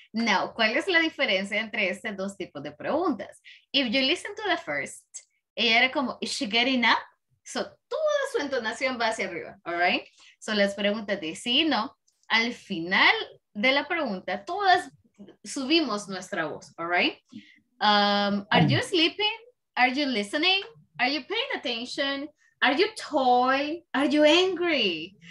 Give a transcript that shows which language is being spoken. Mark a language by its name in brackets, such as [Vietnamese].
[Spanish] Now, ¿cuál es la diferencia entre estos dos tipos de preguntas? [English] If you listen to the first, [Spanish] ella era como, [English] is she getting up? [Spanish] So, toda su entonación va hacia arriba, all right? So, las preguntas de sí y no, al final de la pregunta, todas subimos nuestra voz, [English] all right? Are you sleeping? Are you listening? Are you paying attention? Are you toy? Are you angry?